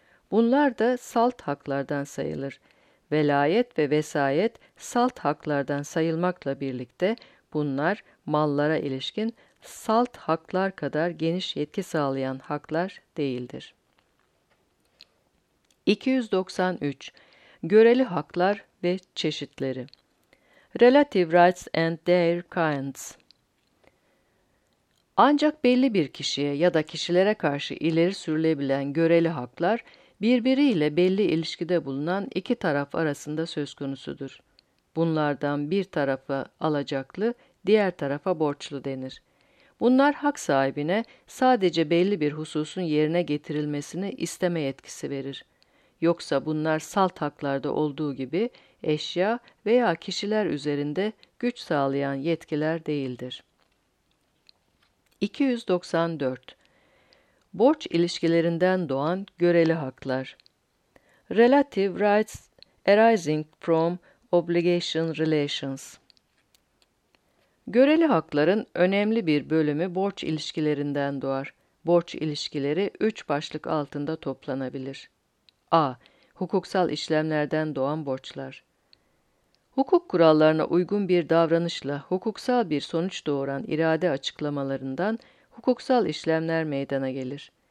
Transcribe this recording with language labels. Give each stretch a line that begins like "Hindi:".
Turkish: Bunlar da salt haklardan sayılır. Velayet ve vesayet salt haklardan sayılmakla birlikte bunlar mallara ilişkin salt haklar kadar geniş yetki sağlayan haklar değildir. 293. Göreli haklar ve çeşitleri.
English: Relative rights and their kinds.
Turkish: Ancak belli bir kişiye ya da kişilere karşı ileri sürülebilen göreli haklar, birbiriyle belli ilişkide bulunan iki taraf arasında söz konusudur. Bunlardan bir tarafa alacaklı, diğer tarafa borçlu denir. Bunlar hak sahibine sadece belli bir hususun yerine getirilmesini isteme yetkisi verir. Yoksa bunlar salt haklarda olduğu gibi eşya veya kişiler üzerinde güç sağlayan yetkiler değildir. 294. Borç ilişkilerinden doğan göreli haklar.
English: Relative rights arising from obligation relations.
Turkish: Göreli hakların önemli bir bölümü borç ilişkilerinden doğar. Borç ilişkileri 3 başlık altında toplanabilir. A. Hukuksal işlemlerden doğan borçlar. Hukuk kurallarına uygun bir davranışla hukuksal bir sonuç doğuran irade açıklamalarından hukuksal işlemler meydana gelir.